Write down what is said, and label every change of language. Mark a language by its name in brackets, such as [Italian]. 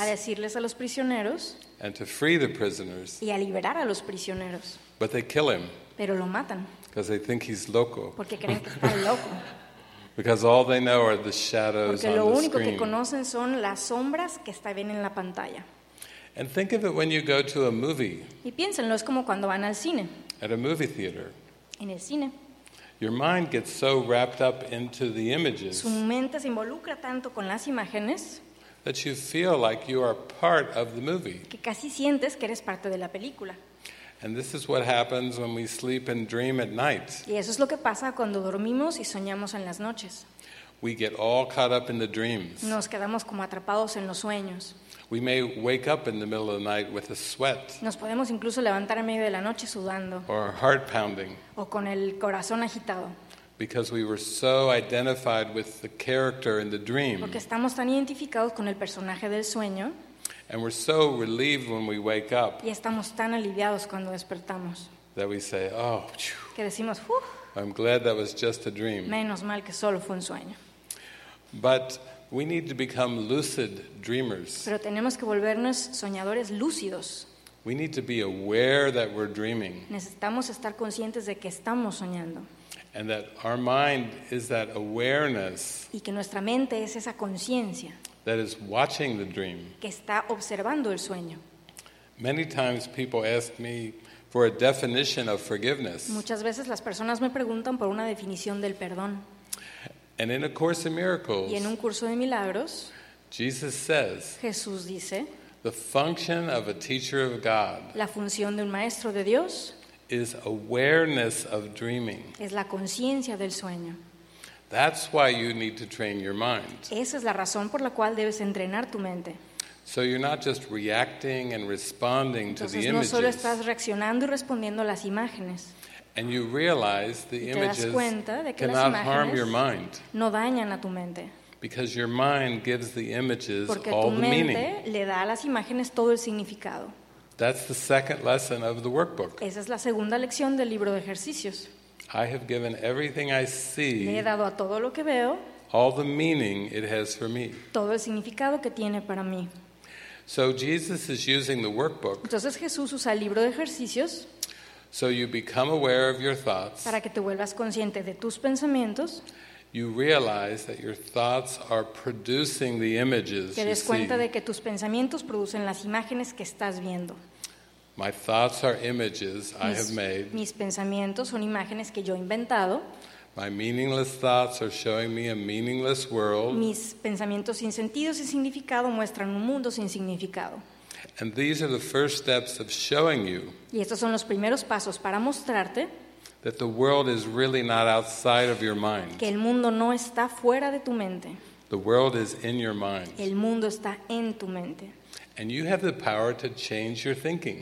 [Spanish] A decirles a los prisioneros. [English] And to free the prisoners. [Spanish] Y a liberar a los prisioneros. [English] But they kill him. [Spanish] Pero lo matan. [English] Because they think he's loco. [Spanish] Porque creen que está loco. [English] Because all they know are the shadows on the screen. [Spanish] Porque lo único que conocen son las sombras que está bien en la pantalla. [English] And think of it when you go to a movie. [Spanish] Y piénsenlo, es como cuando van al cine. [English] At a movie theater. [Spanish] En el cine. [English] Your mind gets so wrapped up into the images. [Spanish] Su mente se involucra tanto con las imágenes. [English] That you feel like you are part of the movie. [Spanish] Que casi sientes que eres parte de la película. [English] And this is what happens when we sleep and dream at night. [Spanish] Y eso es lo que pasa cuando dormimos y soñamos en las noches. [English] We get all caught up in the dreams. [Spanish] Nos quedamos como atrapados en los sueños. [English] We may wake up in the middle of the night with a sweat. [Spanish] Nos podemos incluso levantar en medio de la noche sudando. [English] Or heart pounding. [Spanish] O con el corazón agitado. [English] Because we were so identified with the character in the dream. [Spanish] Porque estamos tan identificados con el personaje del sueño. [English] And we're so relieved when we wake up. [Spanish] Y estamos tan aliviados cuando despertamos. [English] That we say, oh, phew. [Spanish] Que decimos, "Uf, [English] I'm glad that was just a dream." [Spanish] Menos mal que solo fue un sueño. [English] But we need to become lucid dreamers. [Spanish] Pero tenemos que volvernos soñadores lúcidos. [English] We need to be aware that we're dreaming. [Spanish] Necesitamos estar conscientes de que estamos soñando. [English] And that our mind is that awareness. [Spanish] Y que nuestra mente es esa conciencia. [English] That is watching the dream. [Spanish] Que está observando el sueño. [English] Many times people ask me for a definition of forgiveness. [Spanish] Muchas veces las personas me preguntan por una definición del perdón. [English] And in A Course in Miracles, [Spanish] y en un curso de milagros, [English] Jesus says, [Spanish] Jesús dice, [English] the function of a teacher of God, [Spanish] la función de un maestro de Dios, [English] is awareness of dreaming. [Spanish] Es la conciencia del sueño. [English] That's why you need to train your mind. [Spanish] Esa es la razón por la cual debes entrenar tu mente. [English] So you're not just reacting and responding [Spanish] entonces, [English] to the [Spanish] no [English] images. [Spanish] Solo estás reaccionando y respondiendo a las imágenes. [English] And you realize the images cannot harm your mind. [Spanish] No dañan a tu mente. [English] Because your mind gives the images [Spanish] porque [English] all [Spanish] tu mente [English] the meaning. [Spanish] Le da a las imágenes todo el significado. [English] That's the second lesson of the workbook. [Spanish] Esa es la segunda lección del libro de ejercicios. [English] I have given everything I see. [Spanish] Le he dado a todo lo que veo. [English] All the meaning it has for me. [Spanish] Todo el significado que tiene para mí. [English] So Jesus is using the workbook. [Spanish] Entonces Jesús usa el libro de ejercicios. [English] So you become aware of your thoughts. [Spanish] Para que te vuelvas consciente de tus pensamientos. [English] You realize that your thoughts are producing the images you see. [Spanish] Te des cuenta de que tus pensamientos producen las imágenes que estás viendo. [English] My thoughts are images I have made. [Spanish] Mis pensamientos son imágenes que yo he inventado. [English] My meaningless thoughts are showing me a meaningless world. [Spanish] Mis pensamientos sin sentido, sin significado muestran un mundo sin significado. [English] And these are the first steps of showing you. [Spanish] Y estos son los primeros pasos para mostrarte [English] that the world is really not outside of your mind. [Spanish] Que el mundo no está fuera de tu mente. [English] The world is in your mind. [Spanish] El mundo está en tu mente. [English] And you have the power to change your thinking.